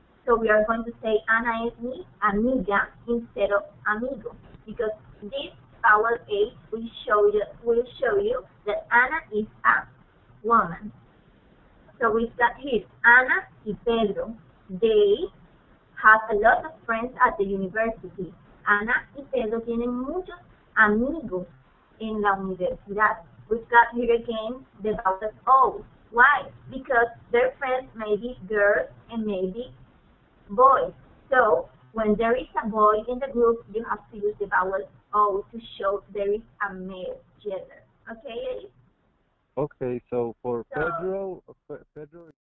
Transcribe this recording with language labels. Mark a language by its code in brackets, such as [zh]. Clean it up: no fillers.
[en] So we are going to say [es] Ana es mi amiga [en] instead of amigo, because this vowel A will show you that Ana is a woman. So we've got here, Ana y Pedro, they have a lot of friends at the university. [es] Ana y Pedro tienen muchos amigos en la universidad. [en] We've got here again the vowel O. Why? Because their friends may be girls and maybe boys. So when there is a boy in the group, you have to use the vowel O to show there is a male gender. Okay, Elise? Okay, so for Pedro, Pedro.